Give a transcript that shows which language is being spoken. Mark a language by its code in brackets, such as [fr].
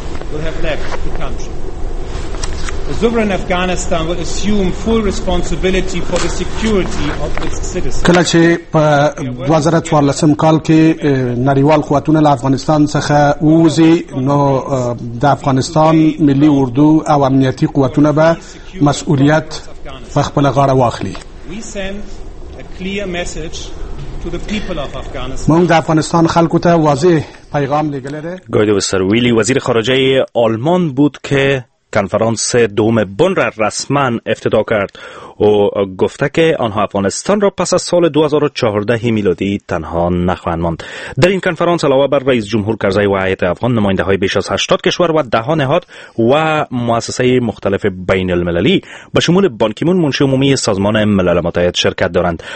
[en] The sovereign Afghanistan will assume full responsibility for the security of its citizens. [ps] کله چې په 2014 کال کې نړیوال قوتونه له افغانستان څخه ووزي، نو د افغانستان ملي اردو او امنیتي قوتونه به مسؤلیت په خپل غاړه واخلي. [en] We send a clear message to the people of Afghanistan. [ps] موږ د افغانستان خلکو ته واضح پیغام لګلره. [fa] ګویدو سر ویلی وزیر خارجه آلمان بود که کنفرانس دوم بن را رسما افتتاح کرد و گفته که آنها افغانستان را پس از سال 2014 میلادی تنها نخواهند ماند. در این کنفرانس علاوه بر رئیس جمهور کرزی و هیئت افغان، نماینده های بیش از 80 کشور و ده ها نهاد و مؤسسه مختلف بین المللی به شمول بان کی مون منشی عمومی سازمان ملل متحد شرکت دارند.